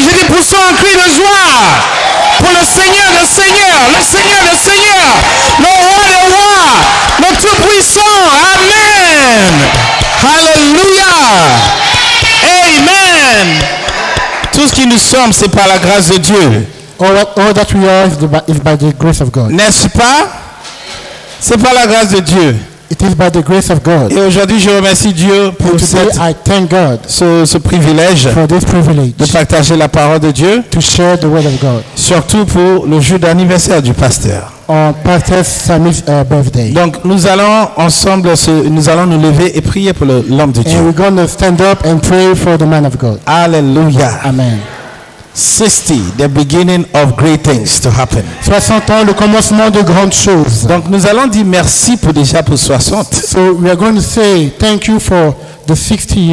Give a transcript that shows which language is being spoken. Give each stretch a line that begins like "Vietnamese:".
French: Je dis poussons un cri de joie pour le Seigneur des Seigneurs. Le Seigneur des Seigneurs. Le roi des rois. Le Tout-Puissant. Amen. Hallelujah. Amen. Tout ce qui nous sommes, c'est par la grâce de Dieu.
English: All that we are is by the grace of God.
French: N'est-ce pas? C'est par la grâce de Dieu.
English: It is by the grace of God.
French: Et aujourd'hui, je remercie Dieu pour ce privilège
English: for this privilege
French: de partager la parole de Dieu.
English: To share the word of God.
French: Surtout pour le jour d'anniversaire du pasteur.
English: On pasteur Sammy's birthday.
French: Donc, nous allons ensemble, nous allons nous lever et prier pour l'homme de Dieu.
English: And we're going to stand up and pray for the man of God. Alléluia. Amen. 60, the beginning of great things to happen.
French: 60 ans, le commencement de grandes choses. Donc nous allons dire merci pour déjà pour 60.
English: So we are going to say thank you for the 60 years.